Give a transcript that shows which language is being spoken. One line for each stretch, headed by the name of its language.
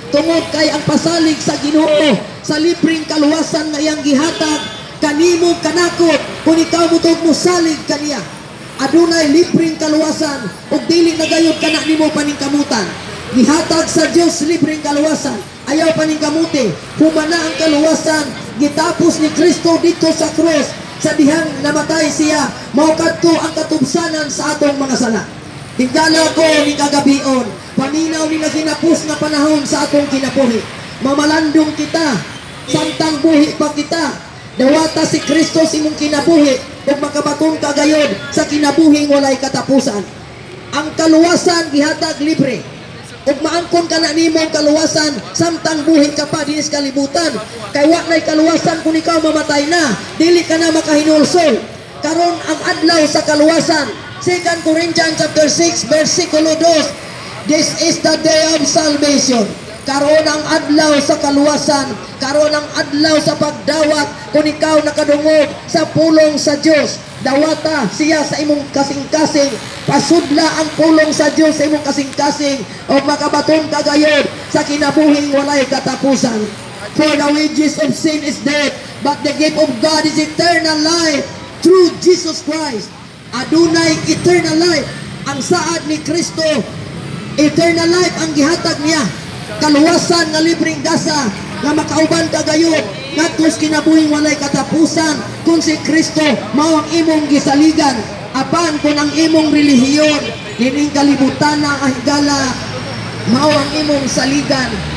Cebuano: Tungod kay ang pasalig sa Ginoo sa libreng kaluwasan na iyang gihatag kanimo kanakot kun ikaw mutod mo salig kaniya. Adunay libreng kaluwasan ug dili na gayod kana nimo paningkamutan. Gihatag sa Dios libreng kaluwasan, ayaw paningkamuti. Humana ang kaluwasan gitapos ni Kristo dito sa krus. Sa dihang namatay siya, mao kadto ang katubsanan sa atong mga sala. Tingala ko ni kagabion, paninaw ni naginapos na panahon sa atong kinapuhi. Mamalandong kita, samtang buhi pa kita. Dawata si Kristo si mong kinabuhi, ug makabaton kagayod sa kinabuhing walay katapusan. Ang kaluwasan gihatag libre. Ug maangkon kana nimo ang kaluwasan samtang buhi ka pa dinis kalibutan. Kay wa nay kaluwasan kun ikaw mamatay na, dili ka na makahinulsol. Karon ang adlaw sa kaluwasan. 2 Corinthians chapter 6 versikulo 2.
English: This is the day of salvation.
Cebuano: Karon ang adlaw sa kaluwasan, karon ang adlaw sa pagdawat kun ikaw nakadungog sa pulong sa Dios. Dawata siya sa imong kasing-kasing, pasudla ang pulong sa Dios sa imong kasing-kasing o makabaton kagayod sa kinabuhing walay katapusan.
English: For the wages of sin is death, but the gift of God is eternal life through Jesus Christ.
Cebuano: Adunay
English: eternal life
Cebuano: ang saad ni Kristo.
English: Eternal life
Cebuano: ang gihatag niya. Kaluwasan na libreng gasa na makauban kagayon ngatos kinabuhing walay katapusan kung si Kristo mao ang imong gisaligan. Apan kung ang imong relihiyon nining kalibutan na ang higala, mao ang imong saligan.